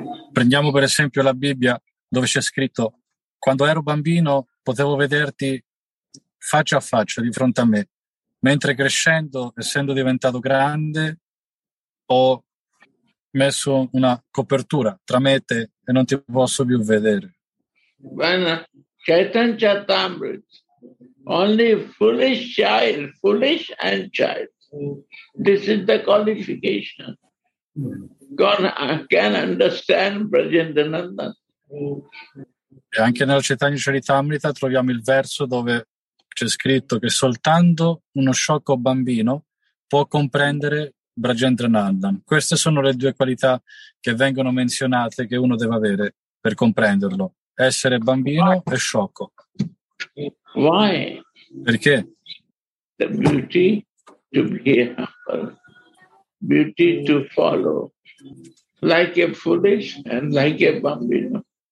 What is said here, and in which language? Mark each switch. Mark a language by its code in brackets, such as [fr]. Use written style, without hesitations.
[it] Prendiamo per esempio la Bibbia, dove c'è scritto: quando ero bambino, potevo vederti faccia a faccia di fronte a me, mentre crescendo, essendo diventato grande, ho messo una copertura tra me e te e non ti posso più vedere. [en] When Chaitanya Chatamrita, only foolish and child, this is the qualification, can understand Brajendranandan. [it] E anche nel Chaitanya Charitamrita troviamo il verso dove c'è scritto che soltanto uno sciocco bambino può comprendere Brajendranandan. Queste sono le due qualità che vengono menzionate che uno deve avere per comprenderlo: essere bambino e sciocco. [en] Why? [it] Perché? [en] The beauty to be humble, beauty to follow, like a foolish and like a bambino.